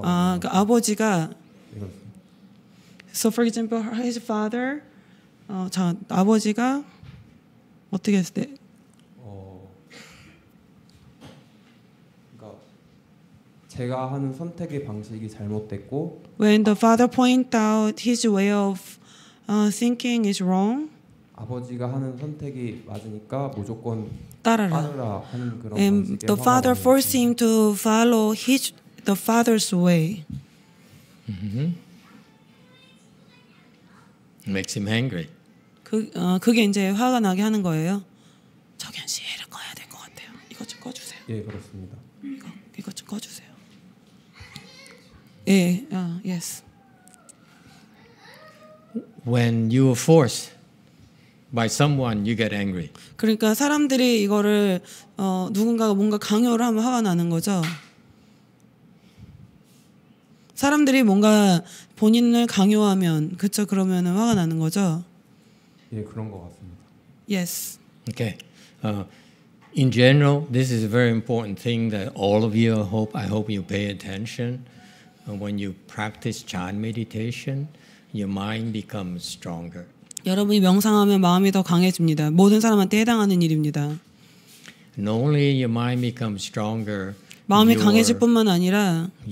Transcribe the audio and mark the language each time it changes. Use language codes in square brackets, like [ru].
[ko] 많이 났어요. 그 아버지가 이렇습니다. [en] So for example, his father [ko] 아버지가 어떻게 했을 때? 그러니까 제가 하는 선택의 방식이 잘못됐고 [en] When the father point out his way of thinking is wrong. [ko] 아버지가 하는 선택이 맞으니까 무조건 따라라 하는 그런 [en] And the father forced him to follow his the father's way. Mm-hmm. Makes him angry. [ko] 그게 이제 화가 나게 하는 거예요. 정현 씨 얘를 꺼야 될 것 같아요. 이거 좀 꺼주세요. 예, 그렇습니다. 이거 좀 꺼주세요. 예, [en] yes. When you are forced by someone, you get angry. [ko] 그러니까 사람들이 이거를 누군가가 뭔가 강요를 하면 화가 나는 거죠. 사람들이 뭔가 본인을 강요하면 그쵸 그러면 화가 나는 거죠. 예, 그런 것 같습니다. [en] Yes. Okay. In general, this is a very important thing that all of you hope. I hope you pay attention. When you practice Chan meditation, your mind becomes stronger. [ko] 여러분이 명상하면 마음이 더 강해집니다. 모든 사람한테 해당하는 일입니다. [en] Not only your mind becomes stronger. [ko] 마음이 강해질 뿐만 아니라